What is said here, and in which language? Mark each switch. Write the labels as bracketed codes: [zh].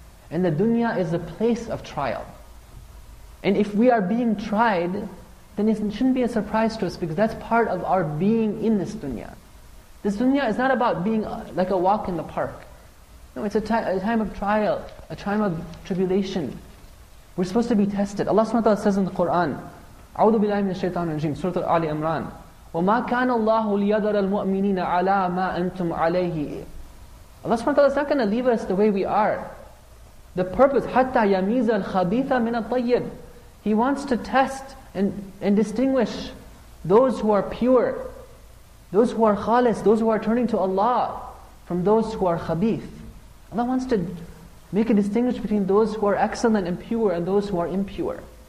[en] And the dunya is a place of trial. And if we are being tried, then it shouldn't be a surprise to us, because that's part of our being in this dunya. This dunya is not about being like a walk in the park. No, it's a time of trial, a time of tribulation. We're supposed to be tested. Allah subhanahu wa ta'ala says in the Qur'an, [ar] أعوذ بالله من الشيطان الرجيم, Surah Ali Imran, وَمَا كَانَ اللَّهُ لِيَذَرَ الْمُؤْمِنِينَ عَلَىٰ مَا أَنْتُمْ عَلَيْهِ. [en] Allah subhanahu wa ta'ala is not going to leave us the way we are. The purpose, [ar] حَتَّى يَمِيزَ الْخَبِيثَ مِنَ الطَّيِّبِ. [en] He wants to test and distinguish those who are pure, those who are khalis, those who are turning to Allah, from those who are khabith. Allah wants to make a distinguish between those who are excellent and pure and those who are impure.